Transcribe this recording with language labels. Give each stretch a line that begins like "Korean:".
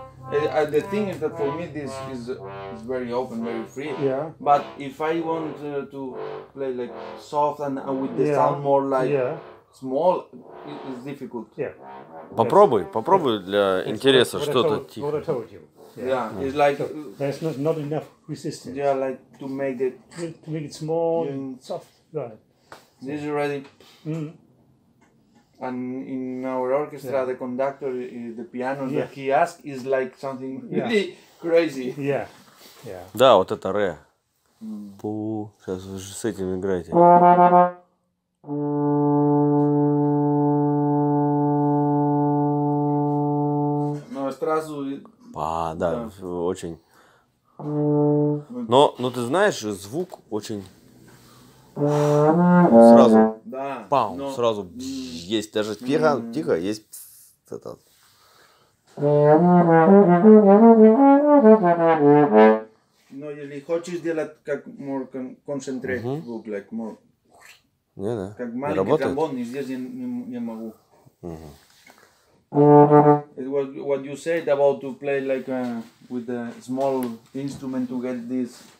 English: The thing is that for me this is very open, very free. Yeah. But if I want to play like soft and with the sound more like small, it's difficult. Yeah.
Russian: Попробуй для интереса что-то тихо.
English: What I told you. Yeah. It's like there's not enough resistance. Yeah, like to make it small and soft. Right. This is ready. And in our orchestra, the conductor, the piano that he asks is like something really crazy. Yeah.
Russian: Да, вот это ре. Пу. Сейчас вы же с этим играете. Ну, сразу... Да, очень. Но ты знаешь, звук очень... Сразу. Да. Пау. Но... Сразу есть даже тихо, тихо, есть это. Но если хочешь делать как
English: more concentrated
Russian: звук,
English: like more.
Russian: Не, да. Как маленький тромбон, здесь я не могу.
English: It was what you said about to play like with a small instrument to get this.